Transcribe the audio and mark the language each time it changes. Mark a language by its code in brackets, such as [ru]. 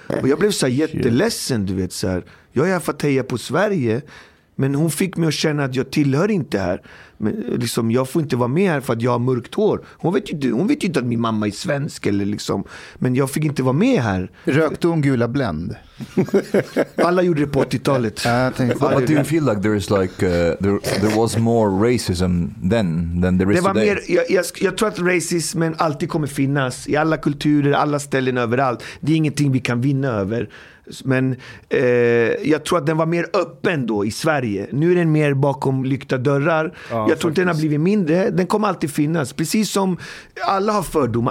[sv] Och jag blev så här jätteledsen, du vet, så här, jag är här för att heja på Sverige, men hon fick mig att känna att jag tillhör inte här. Men liksom, jag får inte vara med här för att jag har mörkt hår. Hon vet ju inte att min mamma är svensk eller liksom. Men jag fick inte vara med här. Rökte hon gula Blend? Alla gjorde det på 80-talet. [en] But do you feel like there is like there was more racism than there is today? [sv] Mer, jag tror att racismen alltid kommer finnas i alla kulturer, alla ställen, överallt. Det är ingenting vi kan vinna över. Men jag tror att den var mer öppen då i Sverige. Nu är den mer bakom lyckta dörrar. jag tror den har blivit mindre. Den kommer alltid finnas. Precis som alla har fördomar.